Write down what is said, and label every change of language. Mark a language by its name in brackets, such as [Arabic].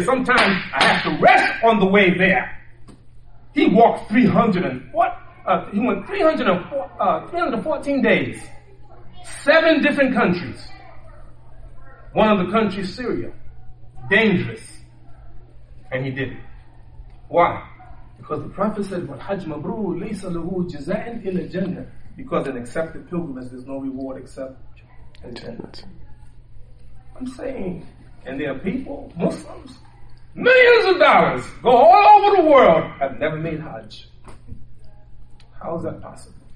[English] Sometimes I have to rest on the way there. He walked 314 days, seven different countries, one of the countries, Syria. Dangerous. And he didn't. Why? Because the Prophet said, [Arabic] وَالْحَجْ مَبْرُورُ لَيْسَ لَهُ جَزَاءٍ إِلَّا الْجَنَّةِ. [English] Because an accepted pilgrimage, there's no reward except Al-Jannah. I'm saying, and there are people, Muslims, millions of dollars, go all over the world, have never made Hajj. How is that possible?